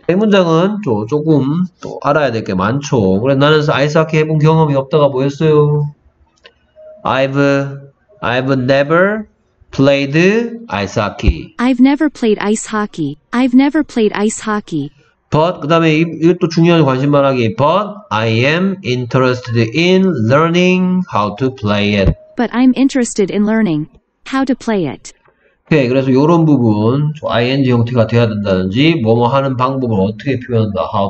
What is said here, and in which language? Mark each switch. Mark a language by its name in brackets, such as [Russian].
[Korean] 이 문장은 조금 또 알아야 될 게 많죠. 그래, 나는 아이스하키 해본 경험이 없다가 뭐였어요? [English] I've never played ice hockey. I've never played ice hockey. I've never played ice hockey. [Korean] But 그다음에 이것도 중요한 관심 말하기. [English] But I am interested in learning how to play it. But I'm interested in learning how to play it. [Korean] 오케이, 그래서 이런 부분 ing 형태가 돼야 된다든지 뭐뭐 하는 방법을 어떻게 표현한다.